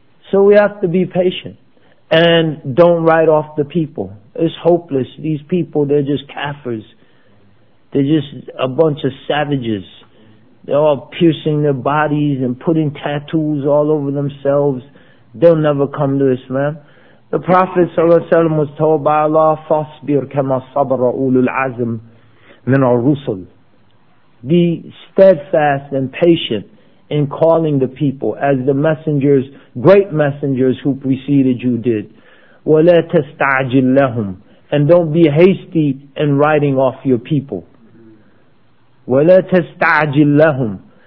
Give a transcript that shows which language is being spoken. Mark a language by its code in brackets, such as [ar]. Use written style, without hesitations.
[en] So we have to be patient and don't write off the people. It's hopeless. These people, they're just kafirs. They're just a bunch of savages. They're all piercing their bodies and putting tattoos all over themselves. They'll never come to Islam. The Prophet ﷺ was told by Allah, [ar] فَاصْبِرْ كَمَا صَبَرَ أُولُو الْعَزْمِ مِنَ الرُّسُلِ. [en] Be steadfast and patient in calling the people, as the messengers, great messengers who preceded you did. [ar] وَلَا تَسْتَعْجِلْ لَهُمْ. [en] And don't be hasty in writing off your people. [ar] وَلَا تَسْتَعْجِلْ لَهُمْ.